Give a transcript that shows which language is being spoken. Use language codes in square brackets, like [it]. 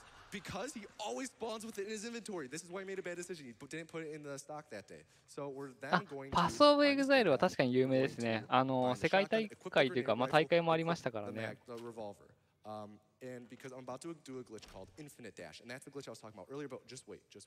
[en] Because he always spawns with it in his inventory. This is why he made a bad decision. He didn't put it in the stock that day. So we're then going to. [ja] パスオブエグザイルは確かに有名ですね。あの世界大会というか、まあ大会もありましたからね。 [en] The revolver. And because I'm about to do a glitch called Infinite Dash, and that's the glitch I was talking about earlier. But just wait.